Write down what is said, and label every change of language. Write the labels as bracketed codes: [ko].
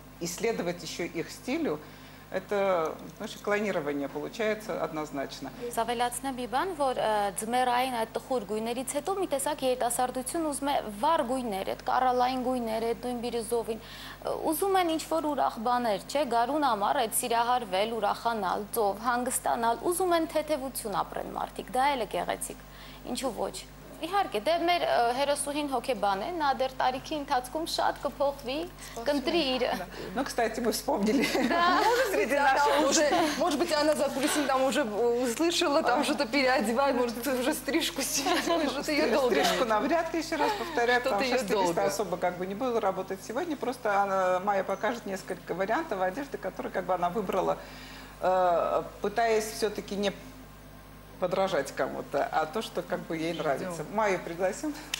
[ru] Исследовать еще их стилю, это, значит, клонирование получается однозначно. [hy] Զավելացնեմ մի բան, որ ձմեռային այդ տխուր գույներից հետո մի տեսակ երիտասարդություն ուզում է վառ գույներ, այդ կարալային գույներ, այդ նույն բիրիզովին, ուզում են ինչ-որ ուրախ բաներ, չէ, գարուն ամառ, այդ սիրահարվել, ուրախանալ, ծով, հանգստանալ, ուզում են թեթևություն ապրեն մարդիկ, դա էլ է գեղեցիկ, ինչու ոչ. Իհարկե, դե մեր հերոսուհին հոգեբան է, նա դեռ տարիքի ընթացքում շատ կփոխվի, կընտրի իրը։ [ru] Ну, кстати, мы вспомнили. Да, уже, может быть, она за кулисами там уже услышала, там что-то переодевает, может, уже стрижку себе, может, ее долго. Стрижку навряд ли, еще раз повторяю, потому что стилист особо как бы не будет работать сегодня, просто Майя покажет несколько вариантов одежды, которые как бы она выбрала, пытаясь все-таки не подражать кому-то, а то, что как бы ей нравится. Ждем. Майю пригласим.